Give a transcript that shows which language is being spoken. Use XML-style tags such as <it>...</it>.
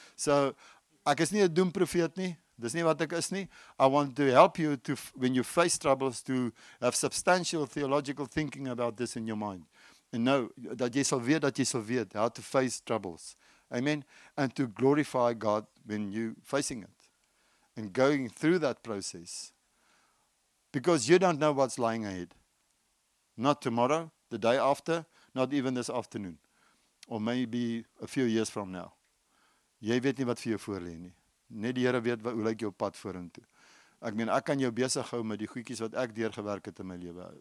<af>So, ek is nie 'n doemprofeet nie. Dis nie wat ek is nie.</af> <en>I want to help you to, when you face troubles, to have substantial theological thinking about this in your mind. And know that</en> <af>jy sal weet,</af> <en>how to face troubles. Amen. And to glorify God when you're facing it. And going through that process. Because you don't know what's lying ahead. Not tomorrow, the day after, not even this afternoon. Or maybe a few years from now.</en> <af>Jy weet nie wat vir jou voorlê nie. Net die Here weet hoe lyk jou pad vorentoe. Ek meen, ek kan jou besig hou met die goedjies wat ek deurgewerk het in my lewe.</af>